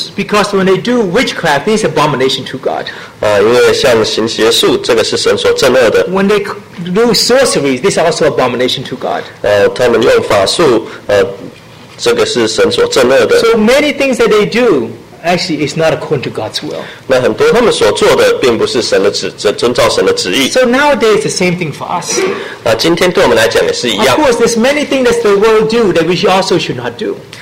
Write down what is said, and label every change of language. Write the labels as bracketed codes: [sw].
[en] Because when they do witchcraft, this is abomination to God. [zh] 因为像行邪术，这个是神所憎恶的。 [en] When they do sorcery, this is also abomination to God. [zh] 他们用法术，这个是神所憎恶的。 [en] So many things that they do actually is not according to God's will. [zh] 那很多他们所做的并不是神的旨，遵照神的旨意。 [en] So nowadays, the same thing for us. [zh] 今天对我们来讲也是一样。 [en] Of course, there's many things that the world do that we also should not do.